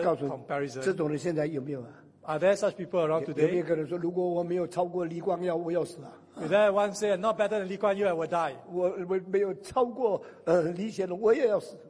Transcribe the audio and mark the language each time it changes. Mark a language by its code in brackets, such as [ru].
[zh] 我告诉你，这种人现在有没有啊？ [en] Are there such people around today? [zh] 有没有可能说，如果我没有超过李光耀，我要死了？ [en] Is there one say not better than Lee Kuan Yew, I will die? [zh] 我没有超过李显龙，我也要死。